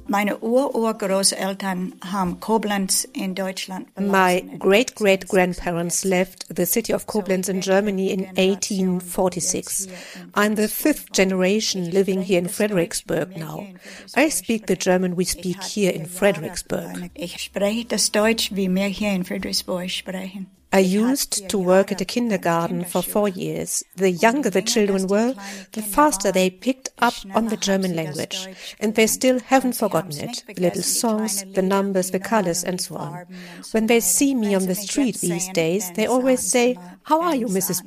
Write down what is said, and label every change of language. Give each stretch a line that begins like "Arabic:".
German: Meine Ururgroßeltern haben Koblenz in Deutschland verlassen.
English: My great-great-grandparents left the city of Koblenz in Germany in 1846. I'm the fifth generation living here in Fredericksburg now. I speak the German we speak here in Fredericksburg.
German: Ich spreche das Deutsch, wie wir hier in Fredericksburg sprechen.
English: I used to work at a kindergarten for 4 years. The younger the children were, the faster they picked up on the German language. And they still haven't forgotten it. The little songs, the numbers, the colors, and so on. When they see me on the street these days, they always say, How are you, Mrs.